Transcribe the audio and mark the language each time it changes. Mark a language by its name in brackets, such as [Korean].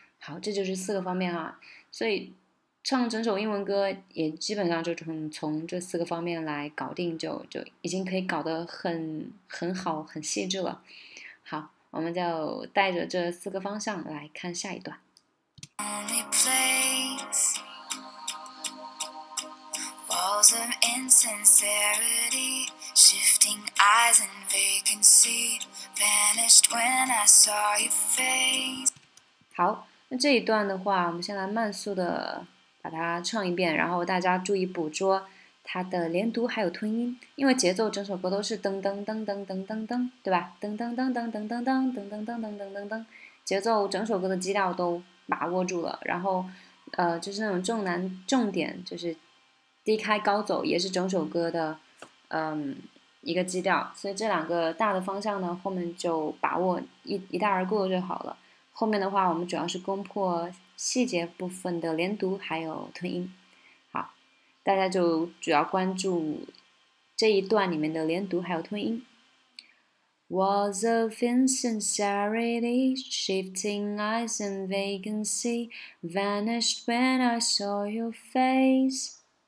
[Chinese] 好，这就是四个方面啊，所以唱整首英文歌也基本上就从这四个方面来搞定，就已经可以搞得很好很细致了。好，我们就带着这四个方向来看下一段。 [English] Only place Walls of insincerity Shifting eyes and vacancyVanished when I saw your face. [Chinese] 好，那这一段的话，我们先来慢速的把它唱一遍，然后大家注意捕捉它的连读还有吞音，因为节奏整首歌都是噔噔噔噔噔噔噔，对吧？噔噔噔噔噔噔噔噔噔噔噔噔噔噔，节奏整首歌的基调都把握住了，然后就是那种重点就是低开高走，也是整首歌的一个基调，所以这两个大的方向呢后面就把握一带而过就好了，后面的话我们主要是攻破细节部分的连读还有吞音。好，大家就主要关注这一段里面的连读还有吞音。 [English] Walls of insincerity Shifting eyes and vacancy Vanished when I saw your face。